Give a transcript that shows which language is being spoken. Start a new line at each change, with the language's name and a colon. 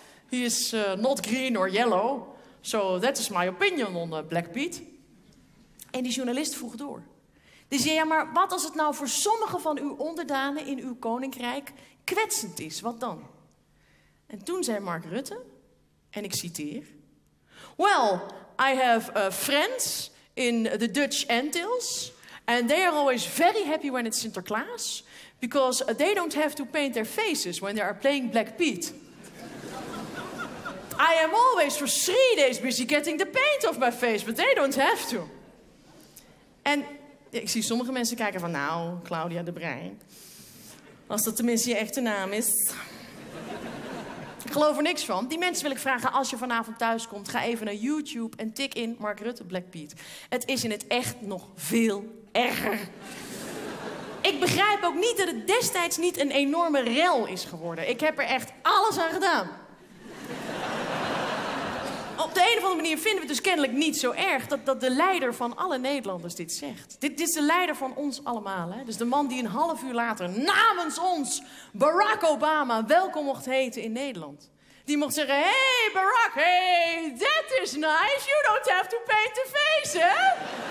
English: He is not green or yellow, so that is my opinion on Black Pete.
Dutch: En die journalist vroeg door. Die zei, ja, maar wat als het nou voor sommige van uw onderdanen in uw koninkrijk kwetsend is? Wat dan? En toen zei Mark Rutte, en ik citeer...
English: Well, I have friends in the Dutch Antilles. And they are always very happy when it's Sinterklaas. Because they don't have to paint their faces when they are playing Black Pete. I am always for 3 days busy getting the paint off my face. But they don't have to. En...
Dutch: ja, ik zie sommige mensen kijken van, nou, Claudia de Brij. Als dat tenminste je echte naam is. Ik geloof er niks van. Die mensen wil ik vragen, als je vanavond thuis komt, ga even naar YouTube en tik in Mark Rutte Black Pete. Het is in het echt nog veel erger. Ik begrijp ook niet dat het destijds niet een enorme rel is geworden. Ik heb er echt alles aan gedaan. Op de een of andere manier vinden we het dus kennelijk niet zo erg dat de leider van alle Nederlanders dit zegt. Dit is de leider van ons allemaal, hè? Dus de man die een half uur later namens ons Barack Obama welkom mocht heten in Nederland. Die mocht zeggen, hey Barack, hey,
English: that is nice. You don't have to paint the face, hè?